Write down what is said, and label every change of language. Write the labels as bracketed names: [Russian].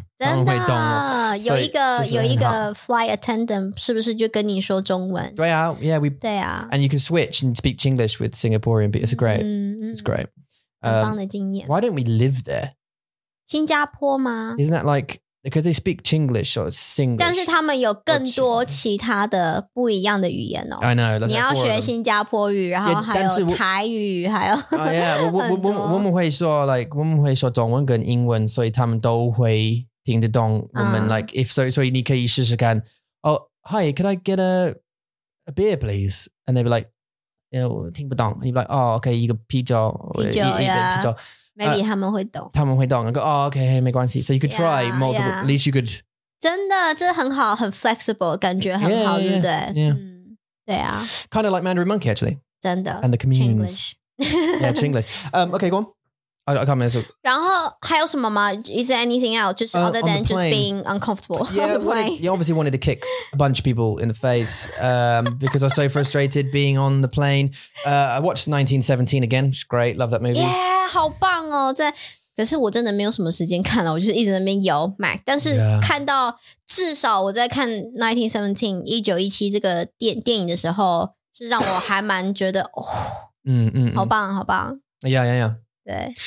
[Chinese] 真的,他们会懂我, 有一个 flight attendant 是不是就跟你说中文? 对啊, yeah, [English] and you can switch and speak English with Singaporean, but it's great. It's great. [Chinese] 很棒的经验。 [English] Why don't we live there? [Chinese] 新加坡吗? [English] Isn't that like, because they speak Chinglish or Singlish. [Chinese] 但是他们有更多其他的不一样的语言哦。 [English] I know. Like [Chinese] 你要学新加坡语, 然后还有台语, [English] yeah, [Chinese] 还有很多。我们会说, like, 我们会说中文跟英文, 所以他们都会听得懂我们, like, if so, 所以你可以试试看, [English] oh, hi, can I get a beer, please? And they'd be like, yeah, [Chinese] 我听不懂, [English] and you'd be like, oh, okay, [Chinese] 一个啤酒, 啤酒, [English] yeah. [Chinese] Maybe 他们会懂。他们会懂, [English] and go, oh, okay, hey, [Chinese] 没关系。 [English] So you could try multiple, at least you could. [Chinese] 真的, 这很好, 很 flexible, 感觉很好, [English] yeah, [Chinese] 对不对? [English] Yeah. [Chinese] 对啊。 [English] Kind of like Mandarin Monkey, actually. [Chinese] 真的。 [English] And the communes. Chinglish. Yeah, Chinglish. Okay, go on. I can't remember. [Chinese] 然后还有什么吗? [English] Is there anything else? Just other than just being uncomfortable. Yeah, you obviously wanted to kick a bunch of people in the face because I was so frustrated being on the plane. I watched 1917 again, which is great. Love that movie. [Chinese] Yeah, 好棒哦, 在... 可是我真的没有什么时间看了，我就是一直在那边摇Mac。但是看到至少我在看 1917，1917这个电影的时候，是让我还蛮觉得，哦，好棒，好棒。Yeah.